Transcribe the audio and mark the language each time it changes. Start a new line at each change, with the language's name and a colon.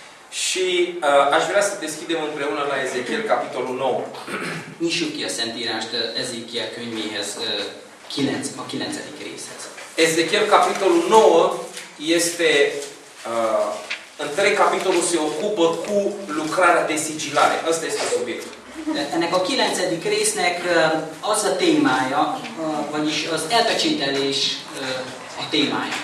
Romanian: Și aș vrea să deschidem împreună la Ezechiel capitolul 9.
Hungarian: Nyissuk ki a Szentírást Ezechiel könyvéhez, a 9. részhez.
Romanian: Ezechiel capitolul 9 este întreg capitolul se ocupă cu lucrarea de sigilare. Ăsta este subiectul.
Hungarian: Ennek a 9. résznek az a témája, vagyis az elpecsételés a témája.